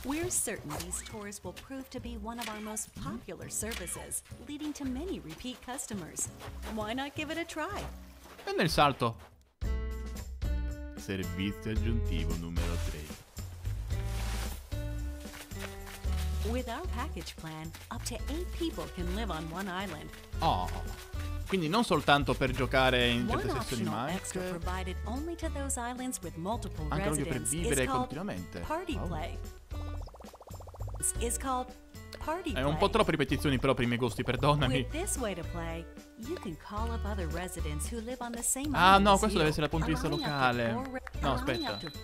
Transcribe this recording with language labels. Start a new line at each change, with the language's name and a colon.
English: We're certain these tours will prove to be one of our most popular services, leading to many repeat customers. Why not give it a try?
Italian: E nel salto. Servizio aggiuntivo numero 3.
English: With our package plan, up to 8 people can live on one island.
Italian: Oh, quindi non soltanto per giocare in certe sessioni, ma anche
English: provided only to those islands with multiple residents.
Italian: Per vivere continuamente.
English: Party play. It's called party play.
Italian: È un po' troppe ripetizioni però per i miei gusti, perdonami.
English: With this way to play, you can call up other residents who live on the same
Italian: island. Ah no, questo deve essere dal punto di vista locale. No, aspetta.